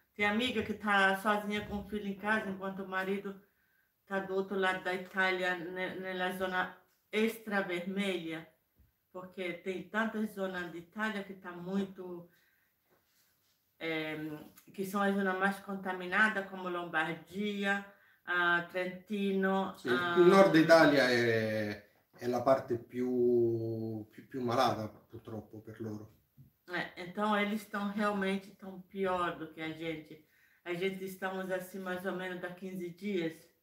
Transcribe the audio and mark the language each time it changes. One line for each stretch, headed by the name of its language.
Portuguese: Tem amiga que está sozinha com o filho em casa, enquanto o marido está do outro lado da Itália,
Italian: nella zona extravermelha,
Portuguese: porque tem tantas zonas de Itália que tá muito que são as zonas mais contaminadas, como Lombardia, Trentino. Sim,
Italian: Nord Italia
Portuguese: é a parte
Italian: più malata, purtroppo, per loro.
Portuguese: Então eles estão realmente tão pior do que a gente. A gente estamos assim mais ou menos há 15 dias.